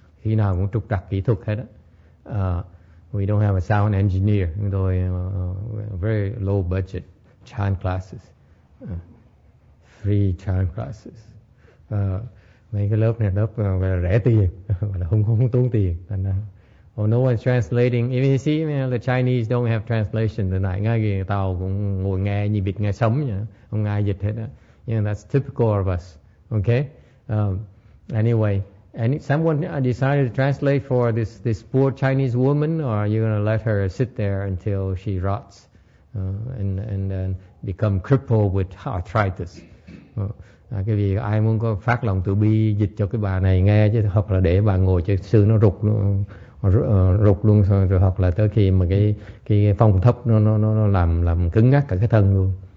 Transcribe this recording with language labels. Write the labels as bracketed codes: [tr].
[vi] Khi nào cũng trục trặc kỹ thuật hết á. [en] We don't have a sound engineer. [vi] Chúng tôi [en] very low budget Chan classes. Free Chan classes. [vi] Mấy cái lớp này lớp rẻ tiền, không tốn tiền. [en] Oh, no one's translating. Even you see, you know, the Chinese don't have translation tonight. [vi] Ngay người Tàu cũng ngồi nghe như bịt nghe sống nhỉ. Không ai dịch hết á. [en] You know, that's typical of us. Okay? Anyway, And if someone decided to translate for this poor Chinese woman, or are you going to let her sit there until she rots and become crippled with arthritis? [vi] Cái việc ai muốn có phát lòng từ bi dịch cho cái bà này nghe chứ, hoặc là để bà ngồi cho xương nó rụt luôn, rụt luôn rồi, hoặc là tới khi mà cái phong thấp nó làm cứng ngắc cả cái thân luôn.